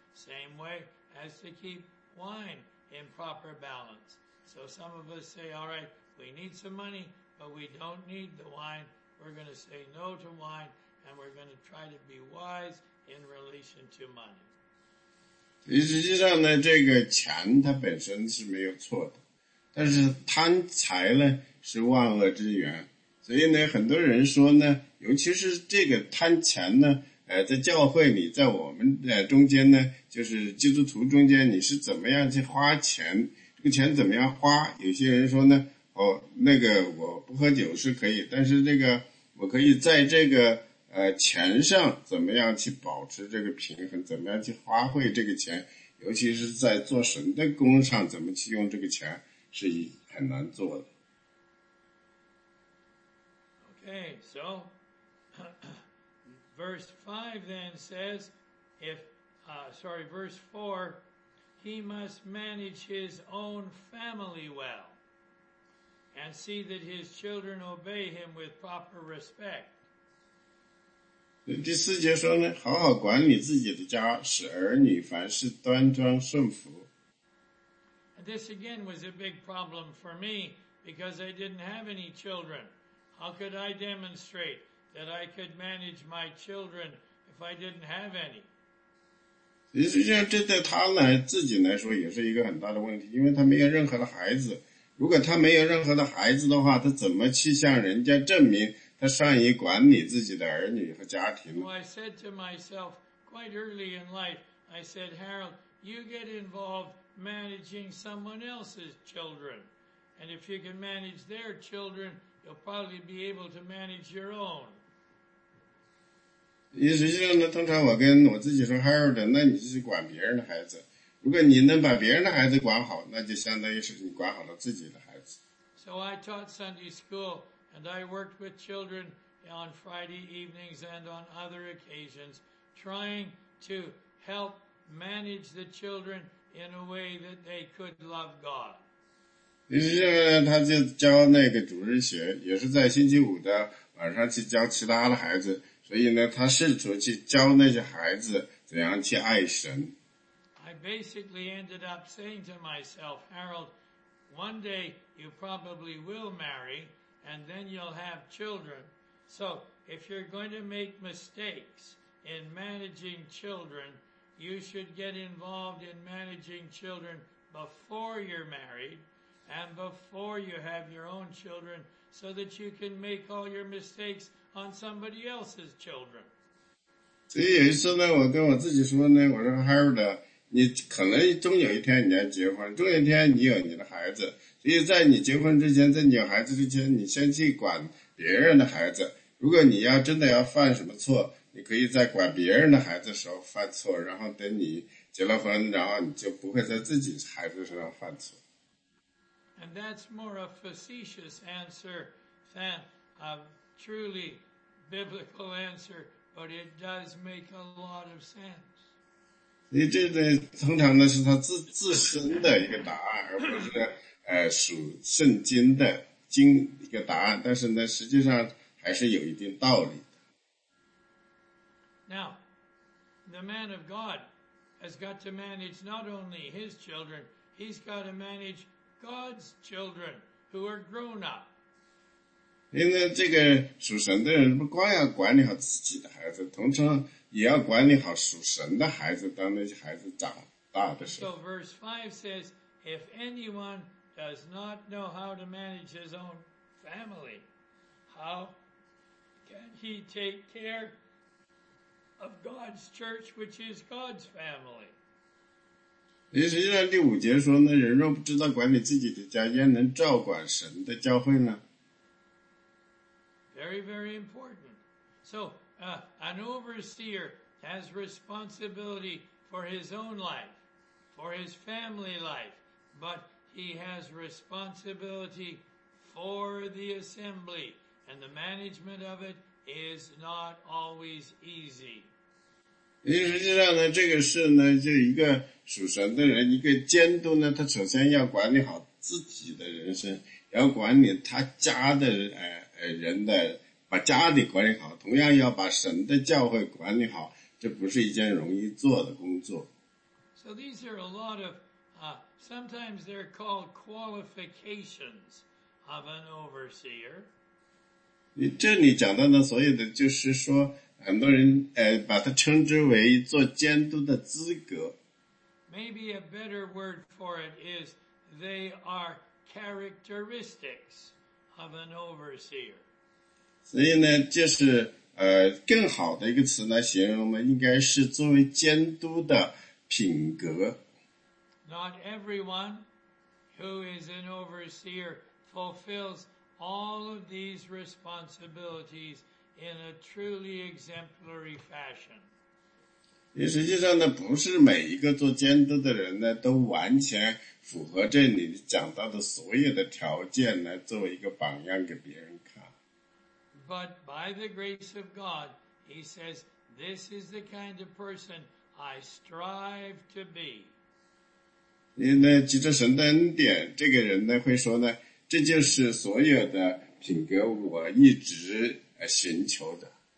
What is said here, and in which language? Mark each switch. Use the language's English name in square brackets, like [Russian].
[English] Same way as to keep wine in proper balance. So some of us say, all right, we need some money, but we don't need the wine. We're going to say no to wine, and we're going to try to be wise in relation to money. [Chinese] 实际上呢，这个钱它本身是没有错的，但是贪财呢是万恶之源。所以呢，很多人说呢，尤其是这个贪钱呢，在教会里，在我们中间呢，就是基督徒中间，你是怎么样去花钱？这个钱怎么样花？有些人说呢，哦，那个我不喝酒是可以，但是这个我可以在这个钱上怎么样去保持这个平衡，怎么样去花费这个钱，尤其是在做神的工上怎么去用这个钱是很难做的。 [English] Okay, so verse 5 then says verse 4, he must manage his own family well and see that his children obey him with proper respect. [Chinese] 第四节说呢，好好管理自己的家，使儿女凡事端庄顺服。 [English] And this again was a big problem for me because I didn't have any children. How could I demonstrate that I could manage my children if I didn't have any? [Chinese] 实际上这对他来自己来说也是一个很大的问题，因为他没有任何的孩子。如果他没有任何的孩子的话，他怎么去向人家证明他善于管理自己的儿女和家庭呢？ [English] So I said to myself quite early in life, I said, Harold, you get involved managing someone else's children. And if you can manage their children, you'll probably be able to manage your own. [Chinese] 因为实际上呢，通常我跟我自己说 Harold， 那你就去管别人的孩子。如果你能把别人的孩子管好，那就相当于是你管好了自己的孩子。 [English] So I taught Sunday school and I worked with children on Friday evenings and on other occasions, trying to help manage the children in a way that they could love God. [Chinese] 因为实际上呢，他就教那个主日学，也是在星期五的晚上去教其他的孩子。所以呢，他试图去教那些孩子怎样去爱神。 [English] I basically ended up saying to myself, Harold, one day you probably will marry, and then you'll have children. So if you're going to make mistakes in managing children, you should get involved in managing children before you're married, and before you have your own children, so that you can make all your mistakes. On somebody else's children. [Chinese] 所以有一次呢，我跟我自己说呢，我说 Harold， 你可能终有一天你要结婚，终有一天你有你的孩子，所以在你结婚之前，在你有孩子之前，你先去管别人的孩子。如果你要真的要犯什么错，你可以在管别人的孩子时候犯错，然后等你结了婚，然后你就不会在自己孩子身上犯错。 [English] And that's more a facetious answer than truly biblical answer, but it does make a lot of sense. [Chinese] 你这个通常呢是他自身的一个答案，而不是属圣经的经一个答案。但是呢，实际上还是有一定道理的。 [English] Now, the man of God has got to manage not only his children; he's got to manage God's children who are grown up. [Chinese] 因为这个属神的人不光要管理好自己的孩子，同时也要管理好属神的孩子，当那些孩子长大的时候。 [English] So verse 5 says, if anyone does not know how to manage his own family, how can he take care of God's church, which is God's family? [Chinese] 实际上第五节说呢，人若不知道管理自己的家，焉能照管神的教会呢？ [English] Very, very important. So, an overseer has responsibility for his own life, for his family life, but he has responsibility for the assembly, and the management of it is not always easy. [Chinese] 实际上呢，这个事呢，就一个属神的人，一个监督呢，他首先要管理好自己的人生，要管理他家的人的把家里管理好，同样要把神的教会管理好，这不是一件容易做的工作。 [English] So these are a lot of, sometimes they're called qualifications of an overseer. [Chinese] 这里讲到的所有的就是说，很多人把它称之为做监督的资格。 [English] Maybe a better word for it is they are characteristics. Of an overseer. [Chinese] 所以呢，就是更好的一个词来形容呢，应该是作为监督的品格。 [English] Not everyone who is an overseer fulfills all of these responsibilities in a truly exemplary fashion. [Chinese] 你实际上呢，不是每一个做监督的人呢，都完全符合这里讲到的所有的条件呢，作为一个榜样给别人看。 [English] But by the grace of God, he says, this is the kind of person I strive to be. [Chinese] 因为呢，藉着神的恩典，这个人呢，会说呢，这就是所有的品格我一直寻求的。